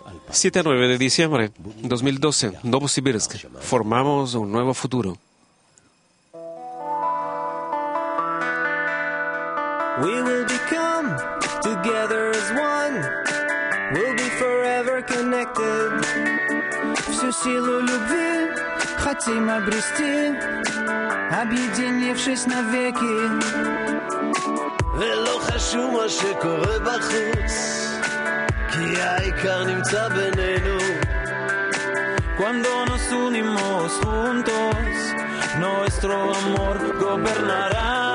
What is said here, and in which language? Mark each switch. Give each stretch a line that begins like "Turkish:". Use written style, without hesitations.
Spanish: Siete a nueve de diciembre 2012, Novosibirsk, formamos un nuevo futuro.
English: We will become together as one. We'll be forever connected.
Russian: Всю силу любви хотим обрести, объединившись навеки.
Hebrew: ולא חשוב מה שקורה בחוץ, כי העיקר נמצא בינינו.
Spanish: Cuando nos unimos juntos, nuestro amor gobernará.